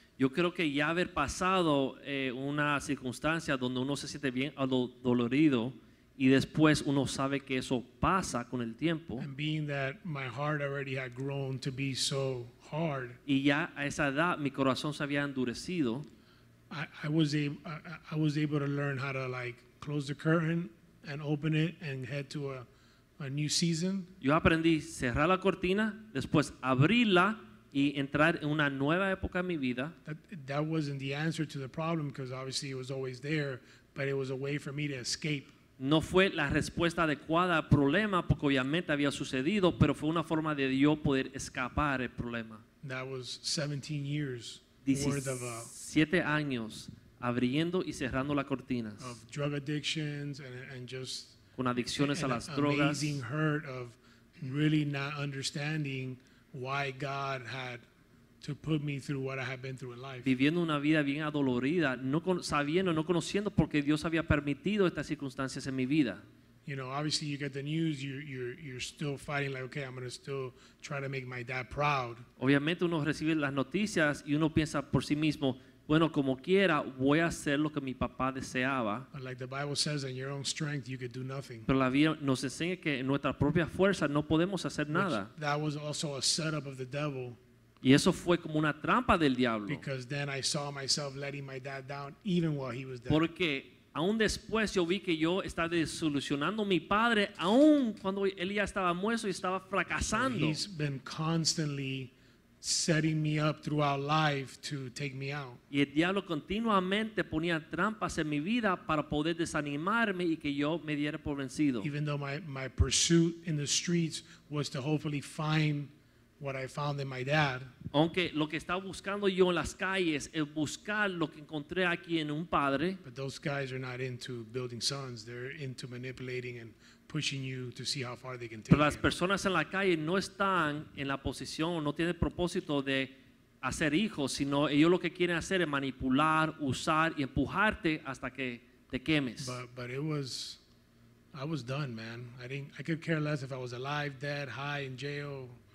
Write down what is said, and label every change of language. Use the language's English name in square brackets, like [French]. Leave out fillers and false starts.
[Spanish] Yo creo que ya haber pasado una circunstancia donde uno se siente bien dolorido y después uno sabe que eso pasa con el tiempo. [English] And being that my heart already had grown to be so hard. [Spanish] Y ya a esa edad mi corazón se había endurecido. [English] I was able to learn how to like close the curtain and open it and head to a new season. [Spanish] Yo aprendí cerrar la cortina, después abrirla y entrar en una nueva época en mi vida. [English] That wasn't the answer to the problem, because obviously it was always there, but it was a way for me to escape. [Spanish] No fue la respuesta adecuada al problema, porque obviamente había sucedido, pero fue una forma de yo poder escapar el problema. [English] That was 17 years worth of a [Spanish] 7 años abriendo y cerrando la cortina. [English] Of drug addictions and just [Spanish] con adicciones a las drogas. [English] An amazing hurt of really not understanding why God had to put me through what I had been through in life. [Spanish] Viviendo una vida bien adolorida, no conociendo por qué Dios había permitido estas circunstancias en mi vida. [English] You know, obviously you get the news, you're still fighting like, okay, I'm going to still try to make my dad proud. [Spanish] Obviamente uno recibe las noticias y uno piensa por sí mismo, bueno, como quiera, voy a hacer lo que mi papá deseaba. [English] Like the Bible says, in your own strength, you could do nothing. [Spanish] Pero la Biblia nos enseña que en nuestra propia fuerza no podemos hacer nada. [English] Which, that was also a setup of the devil. [Spanish] Y eso fue como una trampa del diablo. [English] Because then I saw myself letting my dad down even while he was dead. [Spanish] Porque aún después yo vi que yo estaba desilusionando a mi padre, aún cuando él ya estaba muerto y estaba fracasando. [English] He's been constantly setting me up throughout life to take me out. [Spanish] Y el diablo continuamente ponía trampas en mi vida para poder desanimarme y que yo me diera por vencido. [English] Even though my pursuit in the streets was to hopefully find what I found in my dad. [Spanish] Aunque lo que estaba buscando yo en las calles es buscar lo que encontré aquí en un padre. [English] But those guys are not into building sons. They're into manipulating and pushing you to see how far they can take you. [Spanish] Pero las personas en la calle no están en la posición, no tienen el propósito de hacer hijos, sino ellos lo que quieren hacer es manipular, usar y empujarte hasta que te quemes. [English] But it was, I was done, man. I could care less if I was alive, dead, high, in jail.